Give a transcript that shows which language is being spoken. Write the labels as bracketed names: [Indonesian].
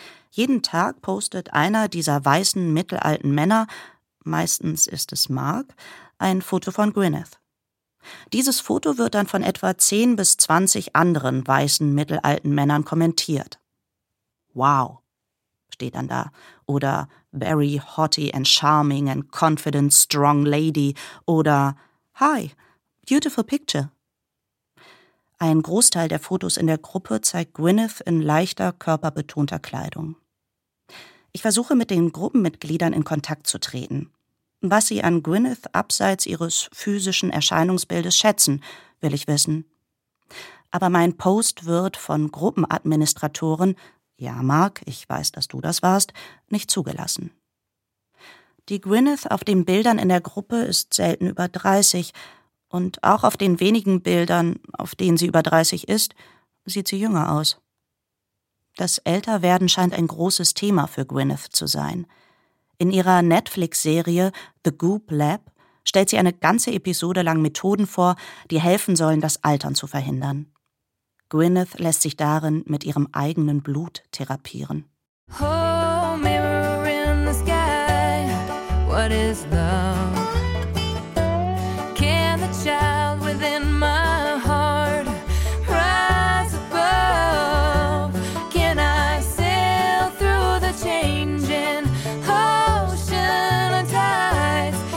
[German] Jeden Tag postet einer dieser weißen, mittelalten Männer, meistens ist es Mark, ein Foto von Gwyneth. Dieses Foto wird dann von etwa 10 bis 20 anderen weißen, mittelalten Männern kommentiert. Wow, steht dann da. Oder [English] very haughty and charming and confident strong lady. [German] Oder [English] hi, beautiful picture. [German] Ein Großteil der Fotos in der Gruppe zeigt Gwyneth in leichter, körperbetonter Kleidung. Ich versuche, mit den Gruppenmitgliedern in Kontakt zu treten. Was sie an Gwyneth abseits ihres physischen Erscheinungsbildes schätzen, will ich wissen. Aber mein Post wird von Gruppenadministratoren, ja Mark, ich weiß, dass du das warst, nicht zugelassen. Die Gwyneth auf den Bildern in der Gruppe ist selten über 30 und auch auf den wenigen Bildern, auf denen sie über 30 ist, sieht sie jünger aus. Das Älterwerden scheint ein großes Thema für Gwyneth zu sein. In ihrer Netflix-Serie The Goop Lab stellt sie eine ganze Episode lang Methoden vor, die helfen sollen, das Altern zu verhindern. Gwyneth lässt sich darin mit ihrem eigenen Blut therapieren. [English] Oh, mirror in the sky, what is love? Can the child within my heart rise above? Can I sail through the changing ocean of tides?